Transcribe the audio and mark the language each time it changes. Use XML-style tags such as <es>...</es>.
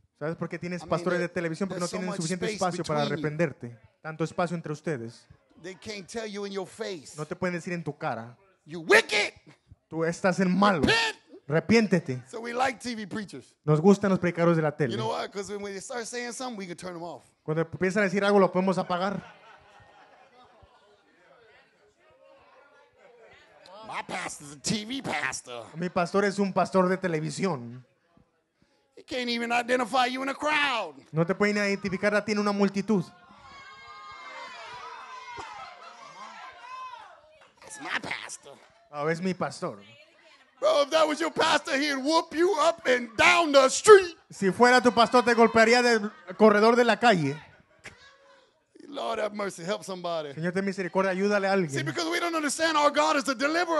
<es>¿Sabes por qué tienes pastores de televisión? Porque no tienen suficiente espacio para reprenderte. Tanto espacio entre ustedes.</es> <en>They can't tell you in your face.</en> <es>No te pueden decir en tu cara.</es> <en>You wicked.</en> <es>Tú estás en malo. Repiéntete.</es> <en>So we like TV preachers.</en> <es>Nos gustan los predicadores de la tele.</es> <en>You know why? Because when they start saying something, we can turn them off.</en> <es>Cuando empiezan a decir algo, lo podemos apagar.</es> <en>My pastor is a TV pastor.</en> <es>Mi pastor es un pastor de televisión.</es> <en>He can't even identify you in a crowd.</en> <es>No te pueden identificar a ti en una multitud.</es> <en>That's my pastor.</en> <es>Oh, es mi pastor.</es> <en>Bro, if that was your pastor, he'd whoop you up and down the street.</en> <es>Si fuera tu pastor, te golpearía del corredor de la calle.</es> <en>Lord have mercy, help somebody.</en> <es>Señor, ten misericordia, ayúdale a alguien.</es> <en>See, because we don't understand our God is a deliverer.</en>